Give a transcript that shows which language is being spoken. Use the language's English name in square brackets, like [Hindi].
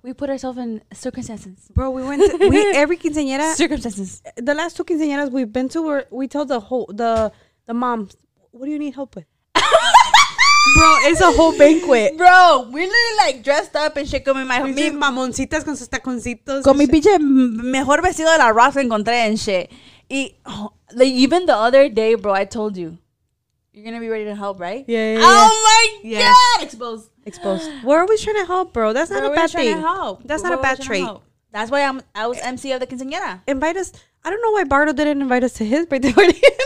[English] We put ourselves in circumstances. Bro, we went to, every quinceañera. Circumstances. The last two quinceañeras we've been to, we tell the moms, what do you need help with? Bro, it's a whole banquet. Bro, we literally like dressed up and shit. Come in my [Spanish] home. Mamoncitas con sus taconcitos. Con mi pinche mejor vestido de la raza encontré en shit. [English] Even the other day, bro, I told you. You're going to be ready to help, right? Yeah. Oh, my God. Exposed. We're always trying to help, bro. That's not a bad thing. That's not a bad trait. That's why I was MC of the quinceañera. Invite us. I don't know why Bardo didn't invite us to his birthday party.